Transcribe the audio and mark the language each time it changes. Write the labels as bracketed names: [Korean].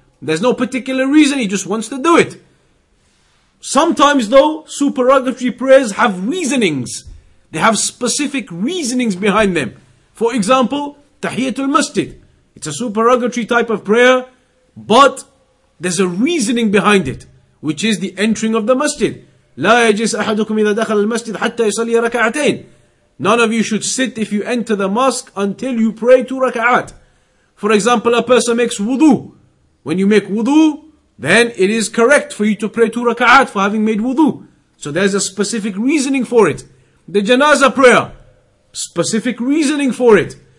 [English] There's no particular reason, he just wants to do it. Sometimes though, supererogatory prayers have reasonings. They have specific reasonings behind them. For example, Tahiyatul Masjid. It's a supererogatory type of prayer, but there's a reasoning behind it, which is the entering of the masjid. [Arabic] لا يجلس أحدكم إذا دخل المسجد حتى يصلي ركعتين. [English] None of you should sit if you enter the mosque until you pray two raka'at. For example, a person makes wudu. When you make wudu, then it is correct for you to pray two raka'at for having made wudu. So there's a specific reasoning for it. The janazah prayer, specific reasoning for it.